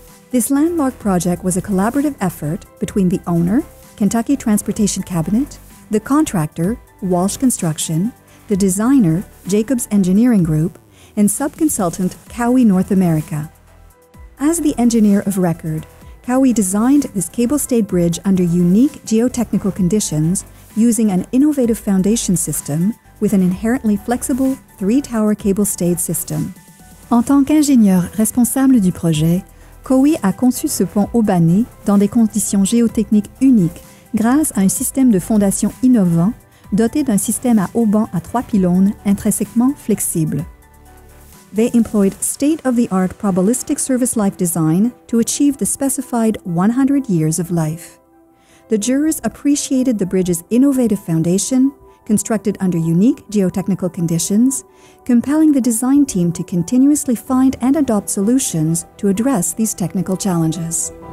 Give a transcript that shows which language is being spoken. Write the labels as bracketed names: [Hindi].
[English] This landmark project was a collaborative effort between the owner, Kentucky Transportation Cabinet, the contractor, Walsh Construction, the designer, Jacobs Engineering Group, and subconsultant, Cowie North America. As the engineer of record, Cowie designed this cable-stayed bridge under unique geotechnical conditions using an innovative foundation system with an inherently flexible three-tower cable-stayed system. [French] En tant qu'ingénieur responsable du projet, Cowie a conçu ce pont haubané dans des conditions géotechniques uniques grâce à un système de fondation innovant doté d'un système à haubans à trois pylônes intrinsèquement flexible. [English] They employed state-of-the-art probabilistic service life design to achieve the specified 100 years of life. The jurors appreciated the bridge's innovative foundation, constructed under unique geotechnical conditions, compelling the design team to continuously find and adopt solutions to address these technical challenges.